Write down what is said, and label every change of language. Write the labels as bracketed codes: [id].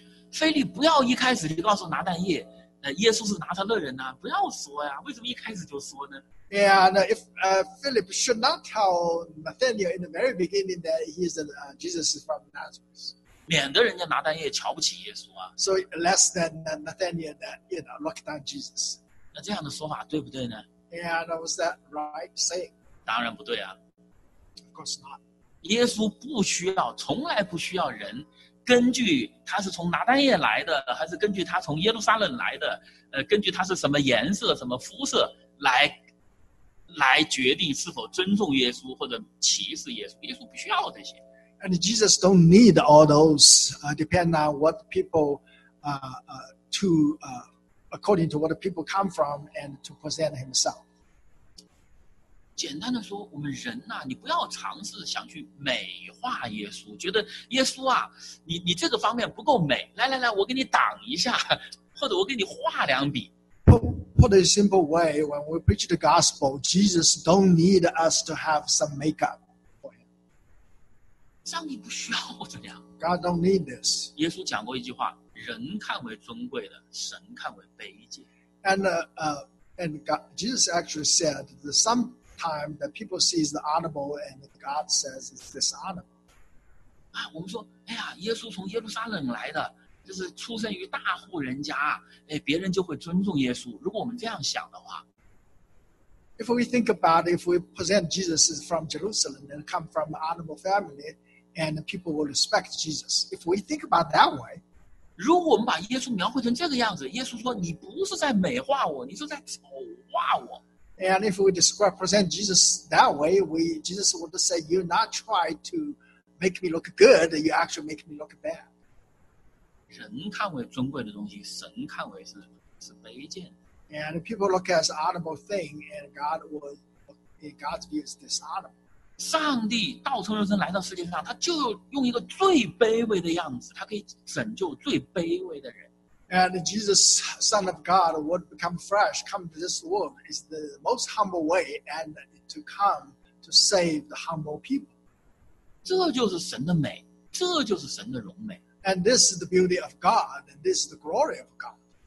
[zh] 腓力不要一开始就告诉拿但业，耶稣是拿撒勒人呐、啊，不要说呀，为什么一开始就说呢 [en] ？And if Philip should not tell Nathaniel in the very beginning that he is Jesus from Nazareth. [zh] 免得人家拿但业瞧不起耶稣啊。 [en] So less than Nathaniel that you know look down Jesus. [zh] 那这样的说法对不对呢 [en] ？And was that right saying? [zh] 当然不对啊。 [en] Of course not. [zh] 耶稣不需要，从来不需要人根据他是从拿但业来的，还是根据他从耶路撒冷来的，根据他是什么颜色、什么肤色来决定是否尊重耶稣或者歧视耶稣。耶稣不需要这些。 [en] And Jesus don't need all those, depend on what people, according to what the people come from and to present himself. [zh] 简单的说，我们人呐、啊，你不要尝试想去美化耶稣，觉得耶稣啊，你这个方面不够美。来来来，我给你挡一下，或者我给你画两笔。 [en] Put a simple way, when we preach the gospel, Jesus don't need us to have some makeup. [zh] 上帝不需要我这样。 [en] God don't need this. [zh] 耶稣讲过一句话：人看为尊贵的，神看为卑贱。 [en] And God, Jesus actually said that sometimes the people sees the honorable and God says it's dishonorable. [zh] 啊，我们说，哎呀，耶稣从耶路撒冷来的，就是出生于大户人家，哎，别人就会尊重耶稣。如果我们这样想的话。 [en] If we think about it, if we present Jesus from Jerusalem and come from an honorable family, and people will respect Jesus. If we think about that way, [zh] 如果我们把耶稣描绘成这个样子，耶稣说：“你不是在美化我，你是在丑化我。” [en] And if we describe present Jesus that way, Jesus would say, "You not try to make me look good. You actually make me look bad." [zh] 人看为尊贵的东西，神看为是卑贱。 [en] And people look at an honorable thing, and God would, in God's view, is dishonorable. [zh] 上帝道成肉身来到世界上，他就用一个最卑微的样子，他可以拯救最卑微的人。 [en] And Jesus, Son of God, would become flesh, come to this world, is the most humble way, and to come to save the humble people. [zh] 这就是神的美，这就是神的荣美。 [en] And this is the beauty of God, and this is the glory of God.